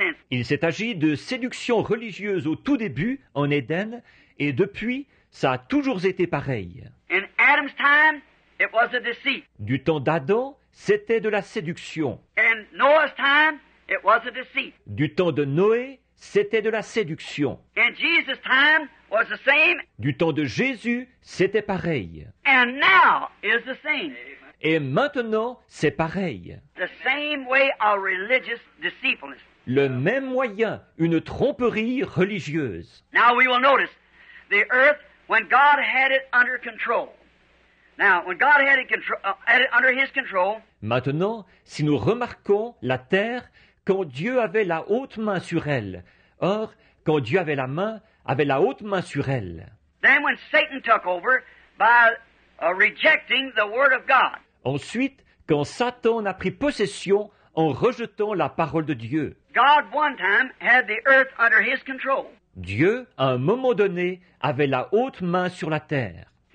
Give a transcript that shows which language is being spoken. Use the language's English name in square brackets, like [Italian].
[French] Il s'est agi de séduction religieuse au tout début, en Éden, et depuis, ça a toujours été pareil. [English] In Adam's time, it was a deceit. [French] Du temps d'Adam, c'était de la séduction. [English] In Noah's time, it was a deceit. [French] Du temps de Noé, c'était de la séduction. [English] And Jesus' time was the same. [French] Du temps de Jésus, c'était pareil. [English] And now is the same. [French] Et maintenant, c'est pareil. [English] The same way of religious deceitfulness. [French] Le même moyen, une tromperie religieuse. [English] Now we will notice the earth when God had it under control. Now, when God had it, under his control, [French] maintenant, si nous remarquons la terre, quand Dieu avait la haute main sur elle, or, quand Dieu avait la haute main sur elle, [English] then when Satan took over by rejecting the word of God. [French] Ensuite, quand Satan a pris possession en rejetant la parole de Dieu, [English] God one time had the earth under his control. [French] Dieu, à un moment donné, avait la haute main sur la terre.